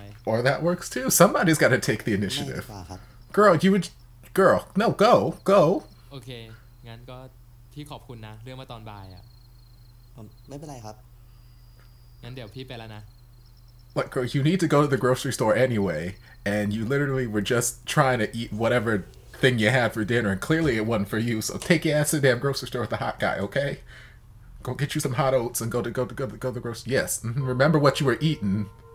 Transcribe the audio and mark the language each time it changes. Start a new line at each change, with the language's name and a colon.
English: Or that works too. Somebody's got to take the initiative. Girl, you would... Girl, no, go. Go. Okay.
Thai: งั้นก็พี่ขอบคุณนะเรื่องเมื่อตอนบ่ายอ่ะ ไม่เป็นไรครับ งั้นเดี๋ยวพี่ไปแล้วนะ
English: Look, girl, you need to go to the grocery store anyway. And you literally were just trying to eat whatever thing you had for dinner. And clearly it wasn't for you. So take your ass to the damn grocery store with the hot guy, okay? Go get you some hot oats and go to the grocery. Yes, remember what you were eating.